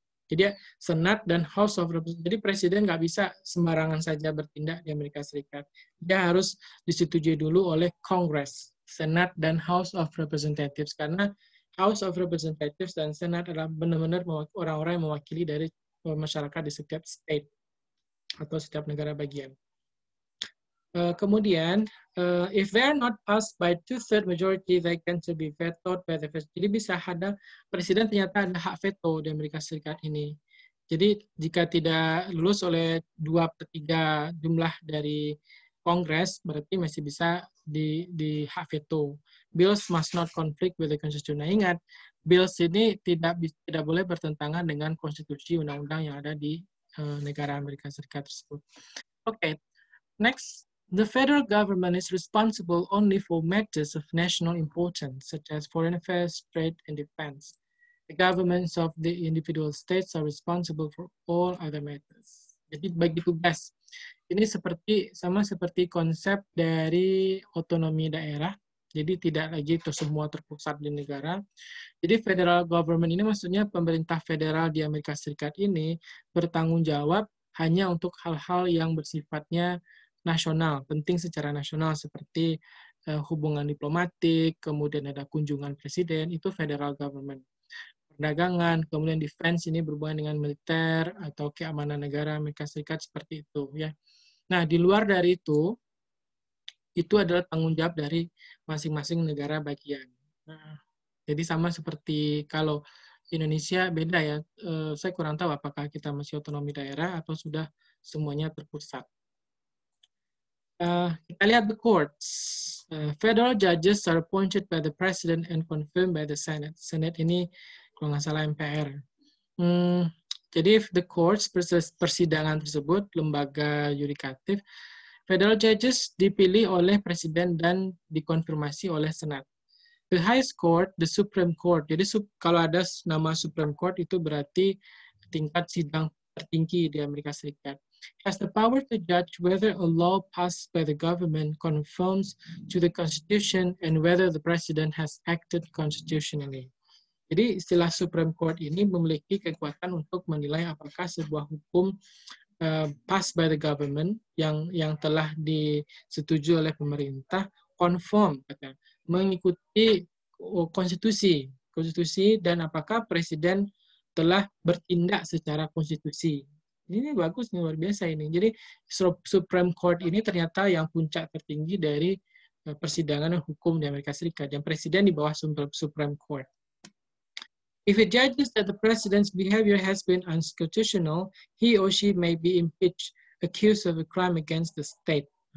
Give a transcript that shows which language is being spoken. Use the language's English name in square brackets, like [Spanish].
[Indonesian] Jadi Senat dan House of Representatives. Jadi presiden nggak bisa sembarangan saja bertindak di Amerika Serikat. Dia harus disetujui dulu oleh Congress, Senat dan House of Representatives. Karena House of Representatives dan Senat adalah benar-benar orang-orang yang mewakili dari masyarakat di setiap state atau setiap negara bagian. [English] Kemudian, if they are not passed by two-thirds majority, they can still be vetoed by the president. [Indonesian] Jadi bisa ada, presiden ternyata ada hak veto di Amerika Serikat ini. Jadi jika tidak lulus oleh 2/3 jumlah dari Kongres, berarti masih bisa di hak veto. [English] Bills must not conflict with the Constitution. [Indonesian] Nah, ingat, bills ini tidak boleh bertentangan dengan konstitusi undang-undang yang ada di negara Amerika Serikat tersebut. [English] Okay, next. The federal government is responsible only for matters of national importance, such as foreign affairs, trade, and defense. The governments of the individual states are responsible for all other matters. [Indonesian] Jadi bagi tugas, ini seperti sama seperti konsep dari otonomi daerah. Jadi tidak lagi itu semua terpusat di negara. Jadi federal government ini maksudnya pemerintah federal di Amerika Serikat ini bertanggung jawab hanya untuk hal-hal yang bersifatnya nasional, penting secara nasional seperti hubungan diplomatik, kemudian ada kunjungan presiden, itu federal government. Perdagangan, kemudian defense ini berhubungan dengan militer atau keamanan negara Amerika Serikat seperti itu ya. Nah, di luar dari itu adalah tanggung jawab dari masing-masing negara bagian. Jadi sama seperti kalau Indonesia beda ya, saya kurang tahu apakah kita masih otonomi daerah atau sudah semuanya terpusat. Kita lihat [English] the courts. Federal judges are appointed by the president and confirmed by the Senate. [Indonesian] Senate ini kalau nggak salah MPR. Jadi [English] if the courts, [Indonesian] persidangan tersebut, lembaga yudikatif, federal judges dipilih oleh presiden dan dikonfirmasi oleh Senate. [English] The highest court, the Supreme Court. [Indonesian] Jadi kalau ada nama Supreme Court itu berarti tingkat sidang tertinggi di Amerika Serikat. [English] Has the power to judge whether a law passed by the government conforms to the Constitution and whether the president has acted constitutionally. [Indonesian] Jadi istilah Supreme Court ini memiliki kekuatan untuk menilai apakah sebuah hukum [English] passed by the government [Indonesian] yang telah disetujui oleh pemerintah conform, katanya, mengikuti konstitusi dan apakah presiden telah bertindak secara konstitusi. Ini bagus, ini luar biasa ini. Jadi Supreme Court ini ternyata yang puncak tertinggi dari persidangan hukum di Amerika Serikat. Yang presiden di bawah Supreme Court. [English] If it judges that the president's behavior has been unconstitutional, he or she may be impeached, accused of a crime against the state.